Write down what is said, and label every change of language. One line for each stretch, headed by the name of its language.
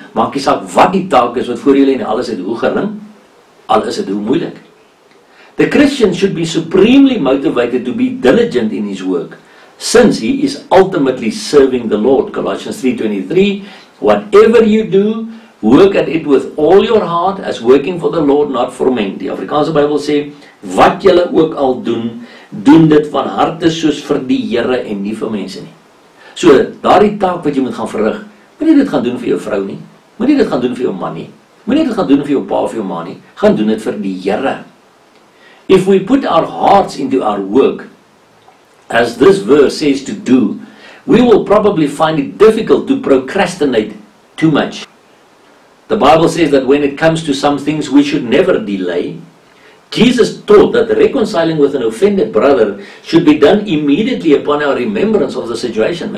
Afrikaans: Maak jy saak wat die taak is, wat voor jy leen, al is het hoe gering, al is het hoe moeilik.
English: The Christian should be supremely motivated to be diligent in his work, since he is ultimately serving the Lord. Colossians 3:23, whatever you do, work at it with all your heart as working for the Lord, not for men.
Afrikaans: Die Afrikaanse Bybel sê, wat julle ook al doen, doen dit van harte soos vir die Here en nie vir mense nie. So, daardie taak wat jy moet gaan verrig, moet nie dit gaan doen vir jou vrou nie, moet nie dit gaan doen vir jou man nie, moet nie dit gaan doen vir jou pa of jou ma nie, gaan doen dit vir die Here.
English: If we put our hearts into our work, as this verse says to do, we will probably find it difficult to procrastinate too much. The Bible says that when it comes to some things we should never delay. Jesus taught that reconciling with an offended brother should be done immediately upon our remembrance of the situation.